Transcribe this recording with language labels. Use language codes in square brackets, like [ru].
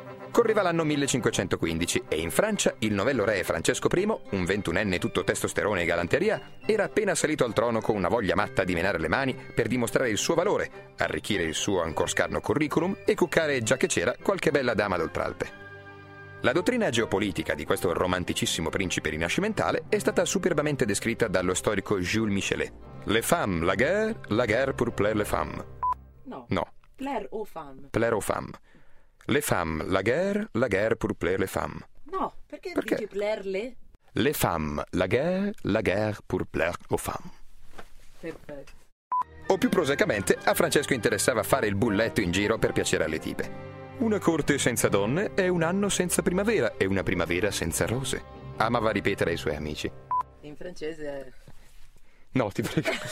[it] Correva l'anno 1515 e in Francia il novello re Francesco I, un 21enne tutto testosterone e galanteria, era appena salito al trono con una voglia matta di menare le mani per dimostrare il suo valore, arricchire il suo ancor scarno curriculum e cuccare, già che c'era, qualche bella dama d'Oltralpe. La dottrina geopolitica di questo romanticissimo principe rinascimentale è stata superbamente descritta dallo storico Jules Michelet. [fr] Les femmes, la guerre pour plaire les femmes. No. Plaire aux femmes. Plaire aux femmes. Les femmes, la guerre pour plaire les femmes. [it] No, perché dici [fr] plaire les? Les femmes, la guerre pour plaire aux femmes. [it] Perfetto. O più prosaicamente, a Francesco interessava fare il bulletto in giro per piacere alle tipe. Una corte senza donne è un anno senza primavera e una primavera senza rose. Amava ripetere ai suoi amici. In francese... No, ti prego.